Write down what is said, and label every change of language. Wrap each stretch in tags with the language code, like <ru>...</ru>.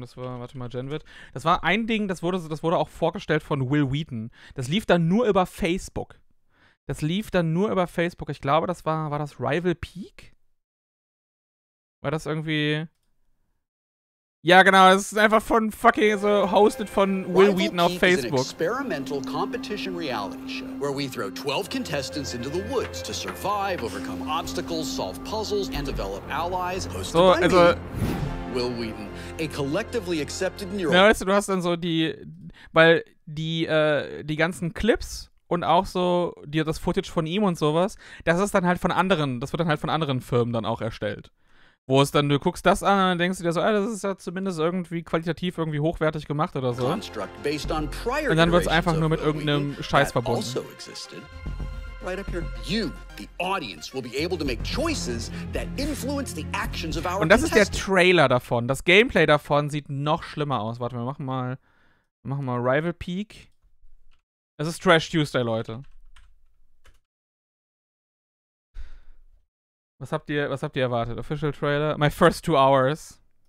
<de>Genvid. Das war ein Ding, das wurde auch vorgestellt von Will Wheaton. Das lief dann nur über Facebook. Ich glaube, das war das Rival Peak? War das irgendwie... Ja, genau, das ist einfach von fucking so hosted von Will Wheaton auf Facebook.</de> <en>Is an experimental competition reality show where we throw 12 contestants into the woods to survive, overcome obstacles, solve puzzles and develop allies.</en> <de>So, also</de> <en>Will Wheaton, a collectively accepted neural.</en> <de>Ja, weißt du, du hast dann so die ganzen Clips und auch so das Footage von ihm und sowas, das wird dann halt von anderen Firmen dann auch erstellt. Wo es dann, du guckst das an und dann denkst du dir so, das ist ja zumindest irgendwie qualitativ irgendwie hochwertig gemacht oder so. Und dann wird es einfach nur mit irgendeinem Scheiß verbunden.</de> <en>Right up here. You, the audience, will be able to make choices that influence the actions of our.</en> <de>Und das ist der Trailer davon. Das Gameplay davon sieht noch schlimmer aus. Warte, wir machen mal Rival Peak. Es ist Trash Tuesday, Leute. Was habt ihr erwartet?</de> <en>Official Trailer? My first 2 hours.</en>